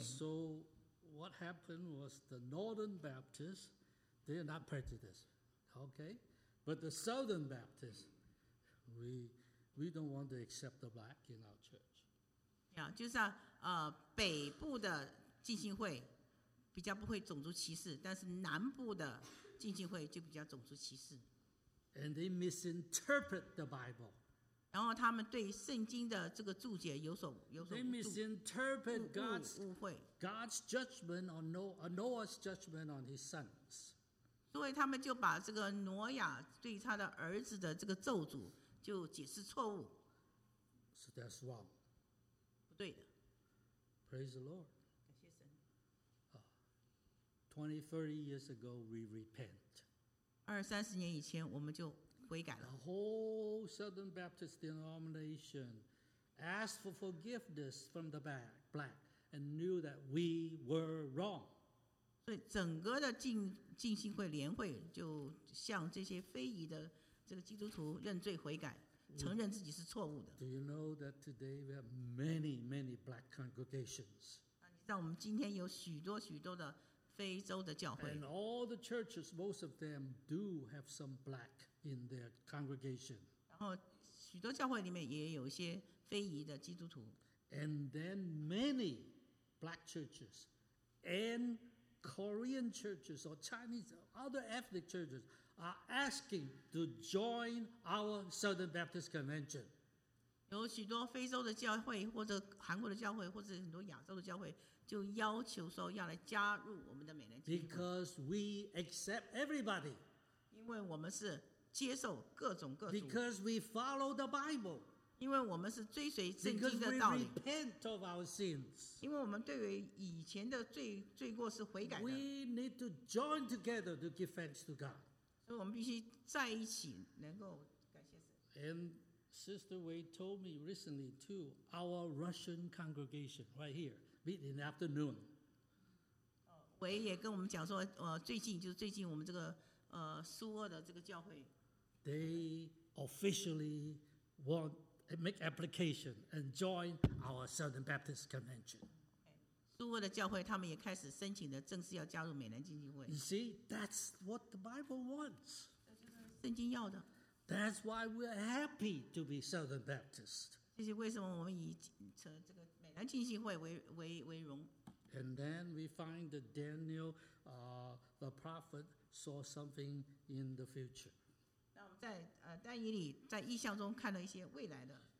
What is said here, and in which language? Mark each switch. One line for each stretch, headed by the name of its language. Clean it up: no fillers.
English: So what happened was the Northern Baptists, they are not prejudiced, okay? But the Southern Baptists, we don't want to accept the black in our church.
Chinese: Yeah, 就是北部的浸信会。比较不会种族歧视，但是南部的浸信会就比较种族歧视。
English: And they misinterpret the Bible.
Chinese: 然后他们对圣经的这个注解有所误会。
English: They misinterpret God's judgment on Noah's judgment on his sons.
Chinese: 所以他们就把这个挪亚对他的儿子的这个咒诅就解释错误。
English: So that's wrong.
Chinese: 不对的。
English: Praise the Lord. 20, 30 years ago, we repent.
Chinese: 20-30 年以前我们就悔改了。
English: The whole Southern Baptist denomination asked for forgiveness from the black and knew that we were wrong.
Chinese: 所以整个的浸信会联会就向这些非裔的这个基督徒认罪悔改，承认自己是错误的。
English: Do you know that today we have many, many black congregations?
Chinese: 你知道我们今天有许多许多的非洲的教会。
English: And all the churches, most of them do have some black in their congregation.
Chinese: 然后许多教会里面也有一些非裔的基督徒。
English: And then many black churches and Korean churches or Chinese or other ethnic churches are asking to join our Southern Baptist Convention.
Chinese: 有许多非洲的教会或者韩国的教会或者很多亚洲的教会就要求说要来加入我们的美南浸信会。
English: Because we accept everybody.
Chinese: 因为我们是接受各种各族。
English: Because we follow the Bible.
Chinese: 因为我们是追随圣经的道理。
English: Because we repent of our sins.
Chinese: 因为我们对于以前的罪罪过是悔改的。
English: We need to join together to give thanks to God.
Chinese: 所以我们必须在一起能够感谢神。
English: And Sister Wei told me recently too, our Russian congregation right here meet in the afternoon.
Chinese: 伟也跟我们讲说，最近就是最近我们这个苏俄的这个教会
English: ，They officially want make application and join our Southern Baptist Convention.
Chinese: 苏俄的教会他们也开始申请的，正式要加入美兰浸信会。
English: You see, that's what the Bible wants.
Chinese: 这就是圣经要的。
English: That's why we're happy to be Southern Baptist.
Chinese: 这是为什么我们以这个美兰浸信会为荣。
English: And then we find that Daniel, the prophet, saw something in the future.
Chinese: 那我们在但以理在异象中看到一些未来的。